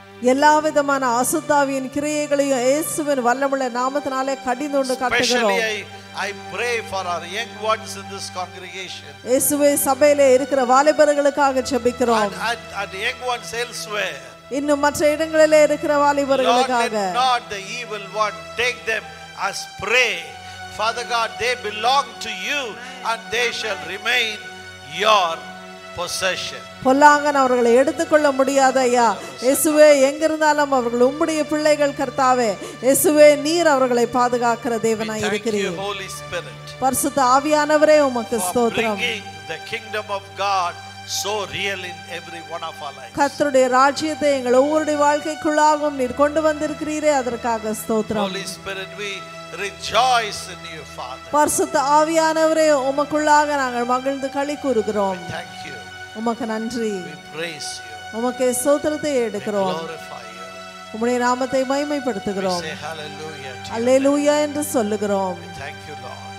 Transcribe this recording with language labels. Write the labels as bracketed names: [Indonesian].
[Tamil] எல்லா விதமான அசுத்தாவியின் கிரியைகளையும் இயேசுவின் வல்லமுள்ள நாமத்தினாலே கடிந்து கொண்டு காட்டுகிறோம். [English] I pray for our young ones in this congregation. [Tamil] இயேசுவே, சபையில் இருக்கிற வாலிபர்களுக்காக ஜெபிக்கிறோம். [English] And young ones elsewhere. [Tamil] இன்னும் மற்ற இடங்களில் இருக்கிற வாலிபர்களுக்காக. [English] Lord, let not the evil one take them as prey Father God, they belong to you and they shall remain your possession. [Tamil] பொல்லாங்கன் அவர்களை எடுத்துக்கொள்ள முடியாது ஐயா. இயேசுவே, எங்கிருந்தாலும் அவர்கள் உம்முடைய பிள்ளைகள் கர்த்தாவே. இயேசுவே, நீர் அவர்களை பாதுகாக்கிற தேவனாய் இருக்கிறீர். பரிசுத்த ஆவியானவரே, உமக்கு ஸ்தோத்திரம். [English] The kingdom of God so real in every one of our lives. [Tamil] கர்த்தருடைய ராஜ்யத்தை எங்கள் ஒவ்வொருடைய வாழ்க்கைக்குள்ளாகவும் நீர் கொண்டு வந்திருக்கிறீரே, அதற்காக ஸ்தோத்திரம். [English] Holy Spirit, we rejoice in you, Father. [Tamil] பரிசுத்த ஆவியானவரே, உமக்குள்ளாக நாங்கள் மகிழ்ந்து களி கூறுகிறோம். [English] Thank you. [Tamil] உமக்கு நன்றி. [English] We praise you. [Tamil] உமக்கு ஸ்தோத்திரத்தை எடுக்கிறோம். உம்முடைய நாமத்தை மகிமைப்படுத்துகிறோம். [English] We say hallelujah. [Tamil] அல்லேலூயா என்று சொல்லுகிறோம். [English] We thank you, Lord.